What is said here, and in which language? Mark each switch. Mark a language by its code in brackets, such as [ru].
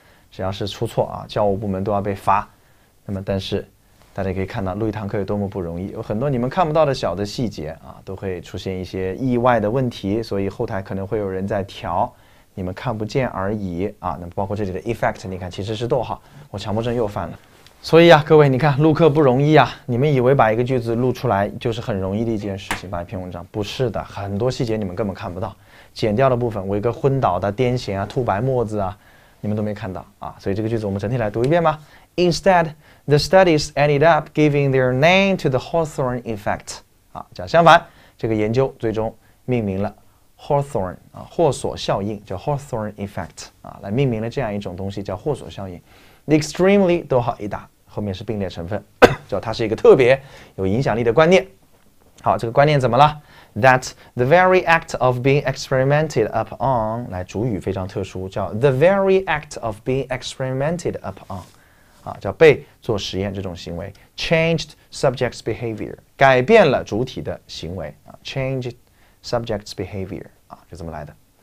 [zh] 只要是出错、啊、教务部门都要被罚，那么但是大家可以看到录一堂课有多么不容易，有很多你们看不到的小的细节、啊、都会出现一些意外的问题，所以后台可能会有人在调，你们看不见而已啊，那包括这里的 effect， 你看其实是逗号，我强迫症又犯了。所以啊，各位，你看录课不容易啊，你们以为把一个句子录出来就是很容易的一件事情，把一篇文章，不是的，很多细节你们根本看不到，剪掉的部分，伟哥昏倒的、癫痫啊、吐白沫子啊，你们都没看到啊。所以这个句子我们整体来读一遍吧。 [en] Instead, the studies ended up giving their name to the Hawthorne effect。 [zh] 啊，讲相反，这个研究最终命名了。 Hawthorne、啊、霍索效应叫 Hawthorne effect、啊、来命名了这样一种东西叫霍索效应。 [en] The extremely [zh] 逗号一打后面是并列成分，叫它是一个特别有影响力的观念。好，这个观念怎么了？ [en] That the very act of being experimented upon， [zh] 来主语非常特殊，叫 [en] the very act of being experimented upon、 [zh] 啊、叫被做实验这种行为， [en] changed subject's behavior， [zh] 改变了主体的行为、啊、 [en] changedSubject's behavior、 [zh] 啊、就这么来的。